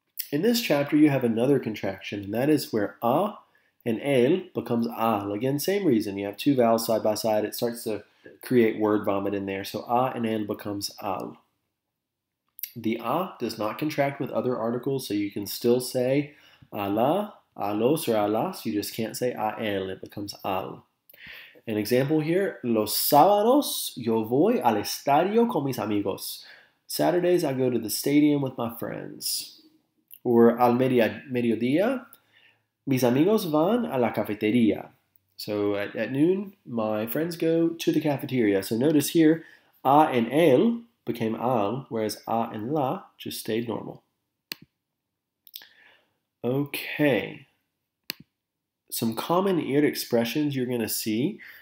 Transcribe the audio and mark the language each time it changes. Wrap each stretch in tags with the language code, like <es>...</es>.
<en>In this chapter, you have another contraction, and that is where a and el becomes al. Again, same reason. You have two vowels side by side. It starts to create word vomit in there. So a and el becomes al. The a does not contract with other articles, so you can still say a la, a los, or a las. You just can't say a el. It becomes al.</en> <es>An example here, los sábados yo voy al estadio con mis amigos.</es> <en>Saturdays I go to the stadium with my friends.</en> <es>Or al mediodía, mis amigos van a la cafetería.</es> <en>So at noon, my friends go to the cafeteria. So notice here, a and el became al, whereas a and la just stayed normal. Okay. Some common ir expressions you're going to see.</en>